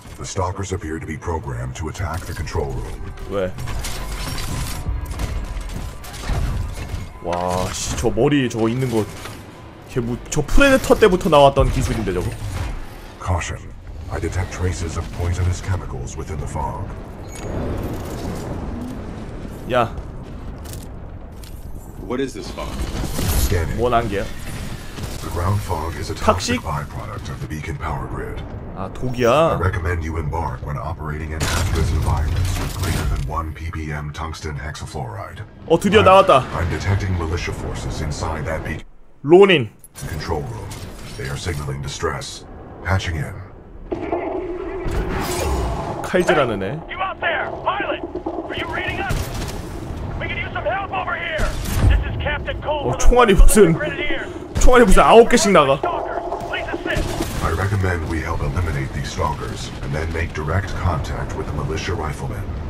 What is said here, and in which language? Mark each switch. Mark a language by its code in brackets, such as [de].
[en] The stalkers appear to be programmed to attack the control room. [ko] 왜? 와, 씨, 저 머리 저거 있는 거, 걔 뭐, 저 프레데터 때부터 나왔던 기술인데 저거. [en] Caution. I detect traces of poisonous chemicals within the fog. [ko] 야. [en] What is this fog? Scanning. [ko] 뭔 안개야? [en] The ground fog is a toxic byproduct of the beacon power grid. [ko] 아, 독이야. [en] I recommend you embark when operating in hazardous environments with greater than 1 ppm tungsten hexafluoride. [ko] 어, 드디어 나왔다. [en] I'm detecting militia forces inside that beacon. [ko] 론인. [en] Control room. They are signaling distress. Patching in. [ko] 칼질하는 애. 어, 총알이 무슨 9개씩 나가. [en] I recommend we help eliminate these stalkers and then make direct contact with the militia riflemen.